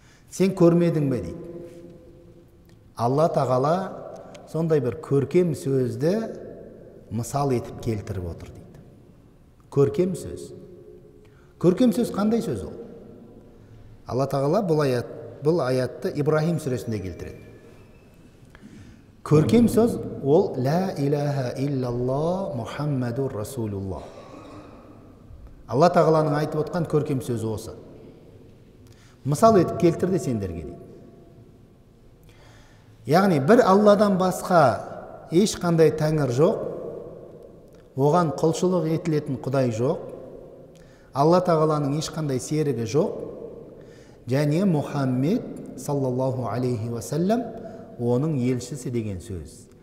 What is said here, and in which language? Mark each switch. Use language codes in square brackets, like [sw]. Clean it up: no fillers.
[kk] Сен көрмедің бе дейді. Алла Тағала сондай бір көркем сөзді мысал етіп келтіріп отыр дейді. Көркем сөз. Көркем сөз қандай сөз ол? Алла Тағала бұл аятты Ибрахим сүресінде келтіреді. Көркем сөз ол [ar] «Ла иляха илля Аллах Мухаммаду Расулуллах». [kk] Алла Тағаланың айтып отқан көркем сөзі осы. Мысал етіп келтірді сендерге дейді. Яғни бір Алладан басқа ешқандай тәңір жоқ, оған құлшылық етілетін құдай жоқ, Алла Тағаланың ешқандай серігі жоқ, және Мұхаммед [ar] саллаллаху алейхи ва саллям [kk] оның елшісі деген сөз.